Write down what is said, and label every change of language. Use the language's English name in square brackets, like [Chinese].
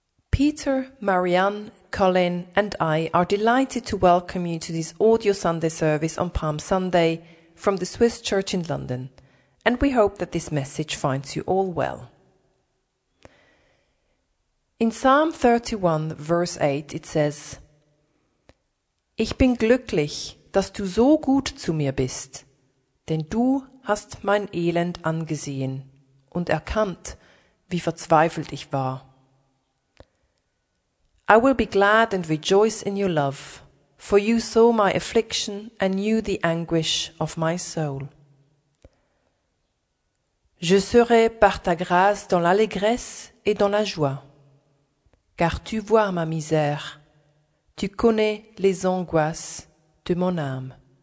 [English] Peter, Marianne, Colin, and I are delighted to welcome you to this audio Sunday service on Palm Sunday from the Swiss Church in London, and we hope that this message finds you all well. In Psalm 31, verse 8, it says, [German] Ich bin glücklich, dass du so gut zu mir bist, denn du hast mein Elend angesehen und erkannt, wie verzweifelt ich war. [English] I will be glad and rejoice in your love, for you saw my affliction and knew the anguish of my soul. [French] Je serai par ta grâce dans l'allégresse et dans la joie, car tu vois ma misère, tu connais les angoisses de mon âme.